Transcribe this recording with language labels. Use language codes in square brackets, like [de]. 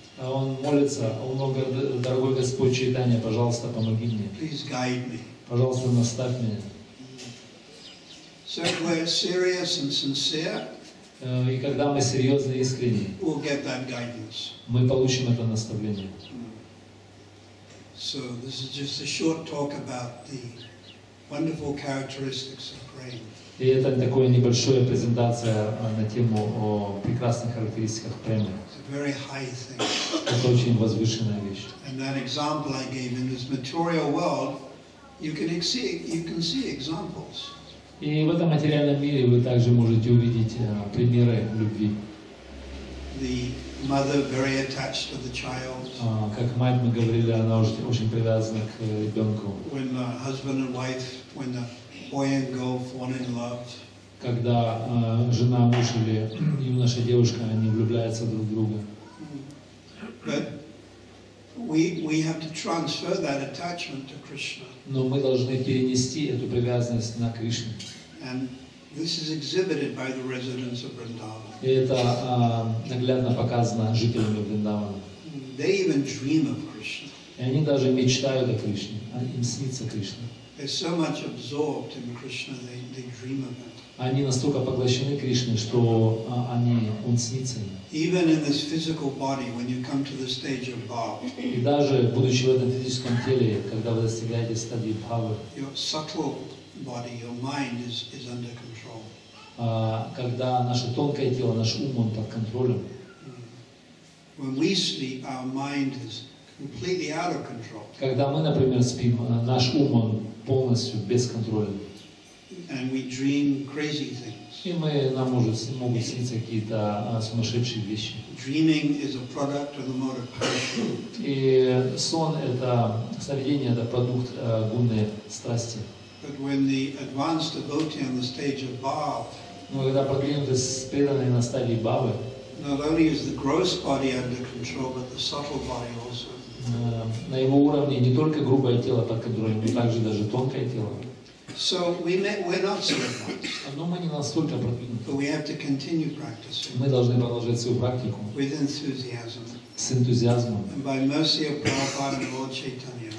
[ru] Он молится, дорогой Господь Чайтанья, пожалуйста, помоги мне. [en] Please guide me. [ru] Пожалуйста, наставь меня. [en] So we're serious and sincere. [ru] И когда мы серьезны и искренни, [en] we'll get that guidance. [ru] Мы получим это наставление. [en] So this is just a short talk about the wonderful characteristics of rain. [ru] И это такая небольшая презентация на тему о прекрасных характеристиках премы. [en] It's a very high thing. [ru] Это очень возвышенная вещь. [en] And that example I gave in this material world, you can see examples. [ru] И в этом материальном мире вы также можете увидеть примеры любви. [en] The mother very attached to the child. [ru] Как мать мы говорили, она очень привязана к ребенку. [en] When the husband and wife, when the boy and girl fall in love. [ru] Когда жена, муж или юноша, девушка, они влюбляются друг в друга. [en] But we have to transfer that attachment to Krishna. [ru] Но мы должны перенести эту привязанность на Кришну. [en] And this is exhibited by the residents of Vrindavan. [ru] И это наглядно показано жителями Вриндавана. [en] They even dream of Krishna. [ru] И они даже мечтают о Кришне. Им снится Кришна. [en] They're so much absorbed in Krishna, they dream of it. [ru] Они настолько поглощены Кришной, что он снится им. [en] Even in this physical body, when you come to the stage of Bhava. [ru] И даже будучи в этом физическом теле, когда вы достигаете стадии Бхавы. [en] Your subtle body, your mind is under control. [ru] Когда наше тонкое тело, наш ум, он под контролем. [en] When we sleep, our mind is completely out of control. [ru] Когда мы, например, спим, наш ум, он полностью без контроля. [en] And we dream crazy things. [ru] И могут сниться какие-то сумасшедшие вещи. [en] Dreaming is a product of the mode of passion. [ru] И сон — это сновидение, это продукт гунной страсти. [en] But when the advanced devotee on the stage of Bhav. [ru] Но когда продвинутый преданный на стадии Бхавы, [en] not only is the gross body under control, but the subtle body also. [ru] На его уровне не только грубое тело под контролем, но также даже тонкое тело. [en] So we're not so advanced. [ru] Но мы не настолько продвинуты. [en] But we have to continue practicing. [ru] Мы должны продолжать свою практику. [en] With enthusiasm. [ru] С энтузиазмом. [en] And by mercy of Prabhupada and Lord Chaitanya.